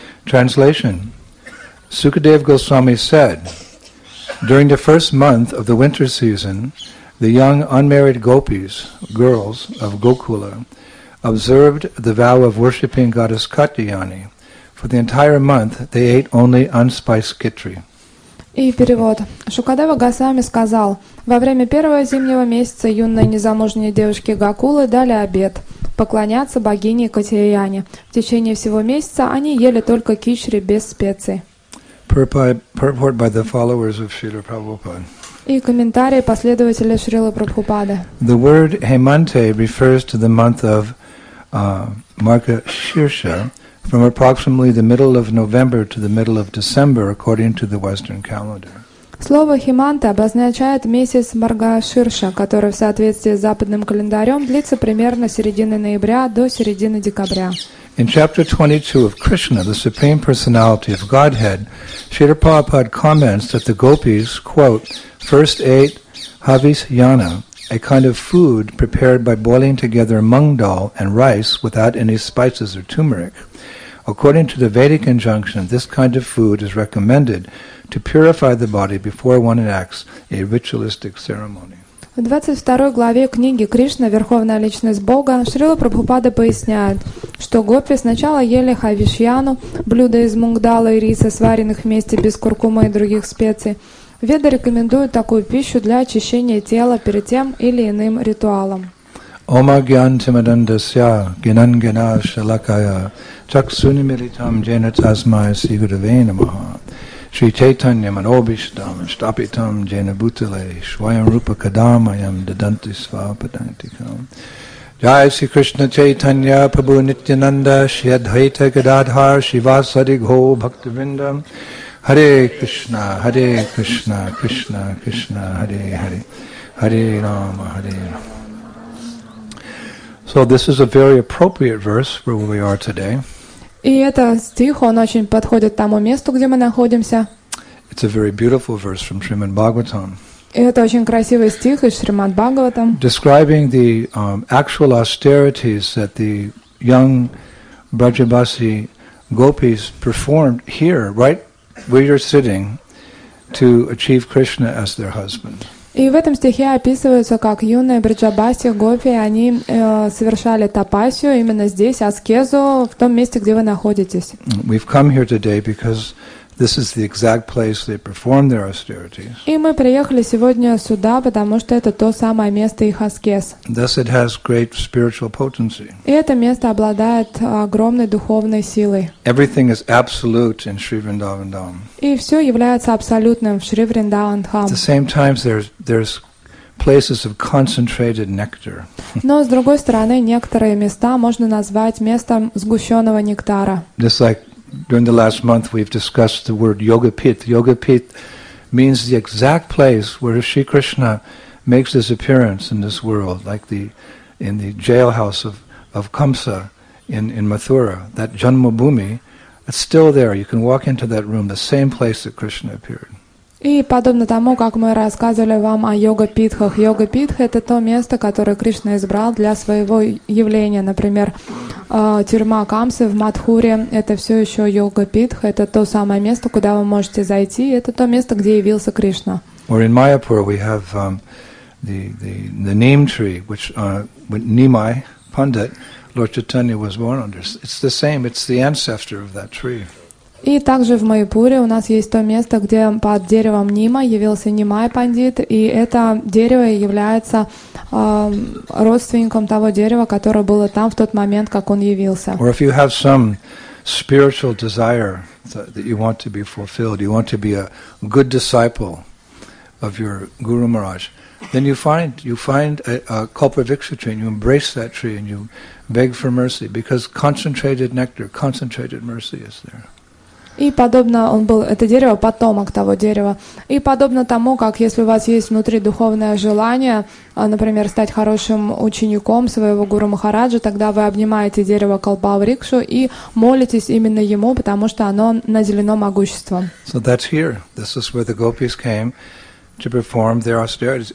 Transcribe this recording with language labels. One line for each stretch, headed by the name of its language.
English: Translation: Sukadeva Goswami said, during the first month of the winter season, the young unmarried gopis, girls of Gokula, observed the vow of worshipping goddess Katyayani. For the entire month, they ate only unspiced khichdi.
Russian: И перевод. Шукадева Госвами сказал, во время первого зимнего месяца юные незамужние девушки Гокулы дали обет поклоняться богине Катьяяне. В течение всего месяца они ели только кичри без специй.
English: Purport by the followers of Srila Prabhupada.
Russian: И комментарии последователя Шрилы Прабхупады.
English: The word Hemante refers to the month of Marga Shirsha, from approximately the middle of November to the middle of December, according to the Western calendar.
Russian: Слово Хеманта обозначает месяц Марга Ширша, который в соответствии с западным календарем длится примерно с середины ноября до середины декабря.
English: In chapter 22 of Krishna, the Supreme Personality of Godhead, Srila Prabhupada comments that the gopis, quote, first ate havisyana, a kind of food prepared by boiling together mung dal and rice without any spices or turmeric. According to the Vedic injunction, this kind of food is recommended to purify the body before one enacts a ritualistic ceremony.
Russian: В 22 главе книги «Кришна. Верховная личность Бога» Шрила Прабхупада поясняет, что гопи сначала ели хавишьяну, блюдо из мунгдала и риса, сваренных вместе без куркумы и других специй. Веды рекомендуют такую пищу для очищения тела перед тем или иным ритуалом.
Sanskrit: Ома гьян тимадандасья гинангина шалакая чаксунимилитам джейнатазмай сигуравейнамаха. Shri Chaitanya Manobhishtam Shtapitam Jena Bhutale Shwayam Rupa Kadamayam Dadanti Svapadantikam Jai Sri Krishna Chaitanya Prabhu Nityananda Shri Advaita Gadadhar Shivasadi Gho Bhaktivindam Hare Krishna Hare Krishna Krishna Krishna Hare Hare Hare Rama Hare Rama.
English: So this is a very appropriate verse for where we are today.
Russian: И это стих, он очень подходит тому месту, где мы находимся.
English: It's a very beautiful verse from Srimad Bhagavatam.
Russian: И это очень красивый стих из Шримад Бхагаватам.
English: Describing the actual austerities that the young Brajabasi gopis performed here, right where you're sitting, to achieve Krishna as their husband.
Russian: И в этом стихе описывается, как юные Бриджабаси, гопи, они совершали тапасию именно здесь, аскезу, в том месте, где вы находитесь.
English: We've come here today because this is the exact place they performed their austerities.
Russian: И мы приехали сегодня сюда, потому что это то самое место их аскез.
English: Thus it has great spiritual potency.
Russian: И это место обладает огромной духовной силой.
English: Everything is absolute in Sri Vrindavan Dham.
Russian: И все является абсолютным в Шри Вриндаван Дхам.
English: At the same time, there's places of concentrated nectar.
Russian: Но с другой стороны, некоторые места можно назвать местом сгущенного нектара.
English: Just like during the last month, we've discussed the word Yogapith. Yogapith means the exact place where Sri Krishna makes his appearance in this world, like in the jailhouse of Kamsa in Mathura. That Janmabhumi, it's still there. You can walk into that room, the same place that Krishna appeared.
Russian: И подобно тому, как мы рассказывали вам о йога-питхах. Йога-питха — это то место, которое Кришна избрал для своего явления. Например, тюрьма Камсы в Матхуре — это все еще йога-питха. Это то самое место, куда вы можете зайти. Это то место, где явился Кришна.
English: Or in Mayapur we have the neem tree, which Nimai Pandit, Lord Chaitanya was born under. It's the same. It's the ancestor of that tree.
Russian: И также в Майпуре у нас есть то место, где под деревом Нима явился Нимай Пандит, и это дерево является родственником того дерева, которое было там в тот момент, как он явился. Or if you have some spiritual desire that you want to be fulfilled, you want to be a good disciple of your Guru Maharaj, then you find a Kalpa Viksha tree, and you embrace that tree, and you beg for mercy, because concentrated nectar, concentrated mercy is there. И подобно он был, это дерево, потомок того дерева. И подобно тому, как если у вас есть внутри духовное желание, например, стать хорошим учеником своего Гуру Махараджа, тогда вы обнимаете дерево Калпаврикшу и молитесь именно ему, потому что оно наделено могуществом.
English: So that's here. This is where the gopis came to perform their austerities.